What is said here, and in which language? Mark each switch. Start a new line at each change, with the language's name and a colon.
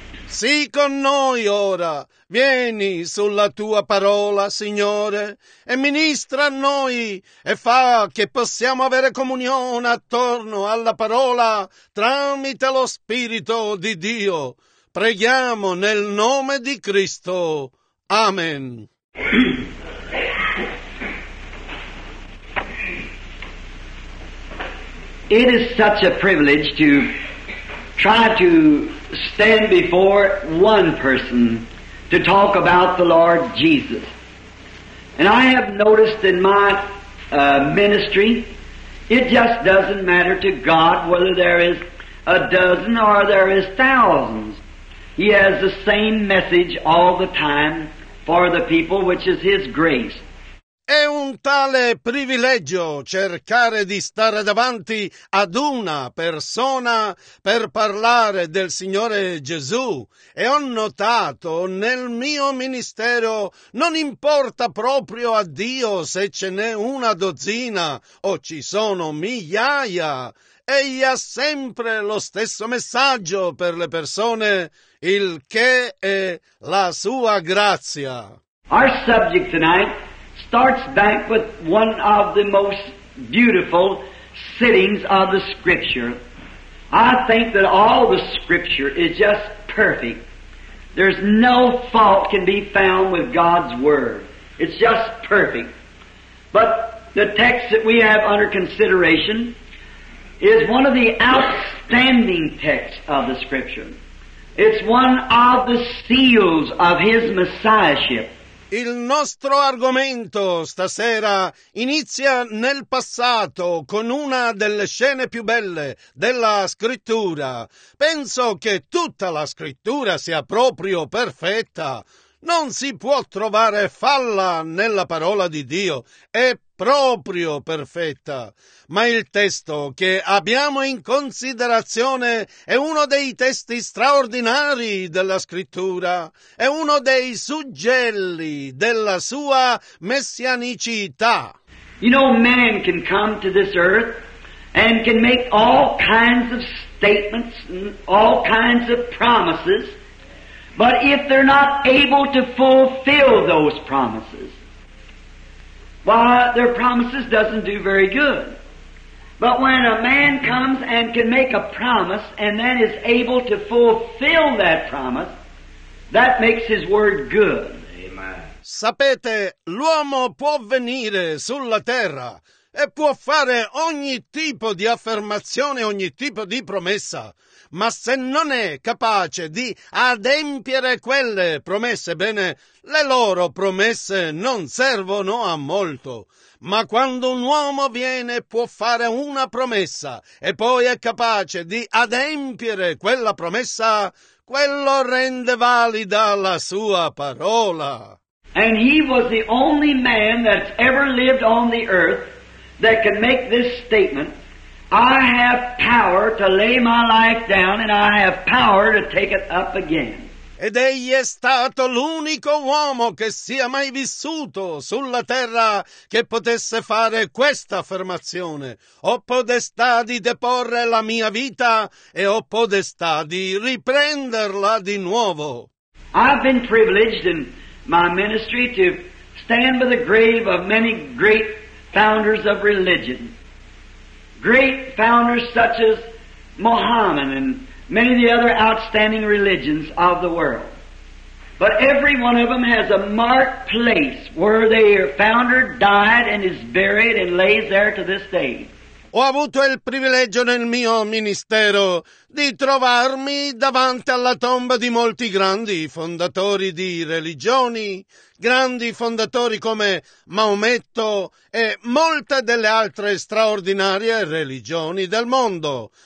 Italian: Sii con noi ora, vieni sulla tua parola, Signore, e ministra a noi e fa che possiamo avere comunione attorno alla parola tramite lo Spirito di Dio. Preghiamo nel nome di Cristo. Amen.
English: It is such a privilege to try to stand before one person to talk about the Lord Jesus. And I have noticed in my ministry, it just doesn't matter to God whether there is a dozen or there is thousands. He has the same message all the time for the people, which is His grace.
Italian: È un tale privilegio cercare di stare davanti ad una persona per parlare del Signore Gesù. E ho notato nel mio ministero, non importa proprio a Dio se ce n'è una dozzina o ci sono migliaia, Egli ha sempre lo stesso messaggio per le persone, il che è la sua grazia.
English: Our subject tonight starts back with one of the most beautiful sittings of the Scripture. I think that all the Scripture is just perfect. There's no fault can be found with God's Word. It's just perfect. But the text that we have under consideration is one of the outstanding texts of the Scripture. It's one of the seals of His Messiahship.
Italian: Il nostro argomento stasera inizia nel passato con una delle scene più belle della Scrittura. Penso che tutta la Scrittura sia proprio perfetta. Non si può trovare falla nella parola di Dio. È proprio perfetta. Ma il testo che abbiamo in considerazione è uno dei testi straordinari della Scrittura, è uno dei suggelli della sua messianicità.
English: You know, man can come to this earth and can make all kinds of statements and all kinds of promises, but if they're not able to fulfill those promises, well, their promises doesn't do very good. But when a man comes and can make a promise and then is able to fulfill that promise, that makes his word good. Amen.
Italian: Sapete, l'uomo può venire sulla terra e può fare ogni tipo di affermazione, ogni tipo di promessa. Ma se non è capace di adempiere quelle promesse, bene, le loro promesse non servono a molto. Ma quando un uomo viene può fare una promessa e poi è capace di adempiere quella promessa, quello rende valida la sua parola.
English: And he was the only man that's ever lived on the earth that can make this statement: I have power to lay my life down and I have power to take it up again.
Italian: Ed egli è stato l'unico uomo che sia mai vissuto sulla terra che potesse fare questa affermazione: ho potestà di deporre la mia vita e ho potestà di riprenderla di nuovo.
English: I've been privileged in my ministry to stand by the grave of many great founders of religion. Great founders such as Mohammed and many of the other outstanding religions of the world. But every one of them has a marked place where their founder died and is buried and lays there to this day.
Italian: Ho avuto il privilegio nel mio ministero di trovarmi davanti alla tomba di molti grandi fondatori di religioni, grandi fondatori come Maometto e molte delle altre straordinarie religioni del mondo.